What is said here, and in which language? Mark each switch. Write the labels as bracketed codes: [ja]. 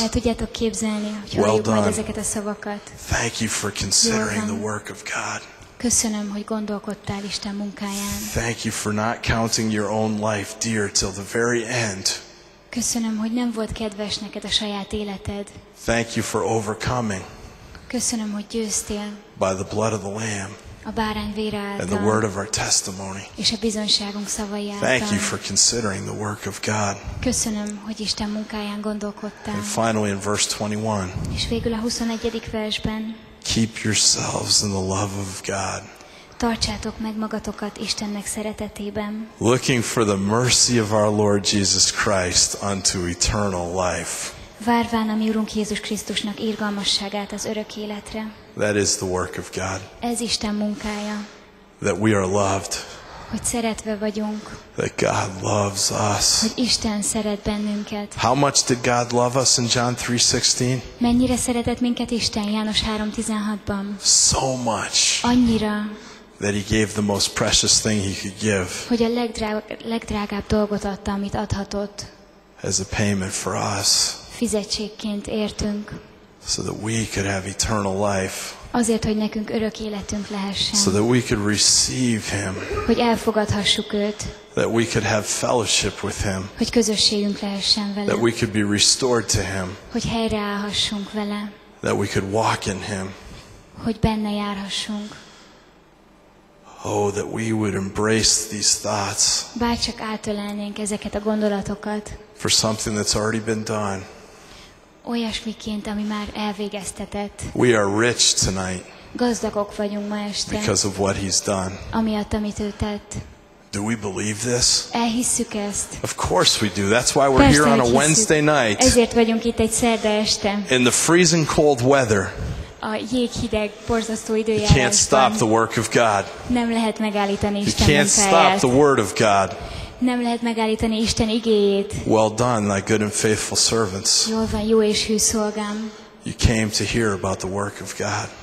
[hu] El tudjátok képzelni, hogy [en] well [hu] hallod ezeket a szavakat. [en] Thank you for considering the work of God. [hu] Köszönöm, hogy gondolkodtál Isten munkáján. [en] Thank you for not counting your own life dear till the very end. [hu] Köszönöm, hogy nem volt kedves neked a saját életed. [en] Thank you for overcoming. [hu] Köszönöm, hogy győztél. [en] By the blood of the Lamb. [hu] A bárány vére által. [en] And the word of our testimony. [hu] És a bizonyságunk szavai által. [en] Thank you for considering the work of God. [hu] Köszönöm, hogy Isten munkáján gondolkodtál. [en] And finally in verse 21. [hu] És végül a 21. versben. [en] Keep yourselves in the love of God. [hu] Tartsátok meg magatokat Istennek szeretetében. [en] Looking for the mercy of our Lord Jesus Christ unto eternal life. [hu] Várván a mi Urunk Jézus Krisztusnak irgalmasságát az örök életre. [en] That is the work of God. [hu] Ez Isten munkája. [en] That we are loved. [hu] Hogy szeretve vagyunk. [en] That God loves us. [hu] Hogy Isten szeret bennünket. [en] How much did God love us in John 3:16? [hu] Mennyire szeretett minket Isten János 3:16-ban? [en] So much. [hu] Annyira. [en] That he gave the most precious thing he could give. [hu] Hogy a legdrágább dolgot adta, amit adhatott. [en] As a payment for us. [hu] Fizetségként értünk. [en] So that we could have eternal life. [hu] Azért, hogy nekünk örök életünk lehessen. [en] So that we could receive him. [hu] Hogy elfogadhassuk őt. [en] That we could have fellowship with him. [hu] Hogy közösségünk lehessen vele. [en] That we could be restored to him. [hu] Hogy helyreállhassunk vele. [en] That we could walk in him. [hu] Hogy benne járhassunk. [en] Oh, that we would embrace these thoughts. [hu] Bárcsak átölelnénk ezeket a gondolatokat. [en] For something that's already been done. [hu] Olyasmiként, ami már elvégeztetett. [en] We are rich tonight. [hu] Gazdagok vagyunk ma este. [en] Because of what he's done. [hu] Amiatt, amit ő tett. [en] Do we believe this? [hu] Elhisszük ezt. [en] Of course we do. That's why we're [hu] persze, [en] here on a Wednesday night. [hu] Ezért vagyunk itt egy szerda este. [en] In the freezing cold weather. [hu] A jéghideg, borzasztó időjárásban. [en] You can't stop the work of God. [hu] Nem lehet megállítani Isten munkáját. [en] You can't stop the word of God. [hu] Nem lehet megállítani Isten igéjét. [en] Well done, thy good and faithful servants. [hu] Jól van, jó és hű szolgám. [en] You came to hear about the work of God.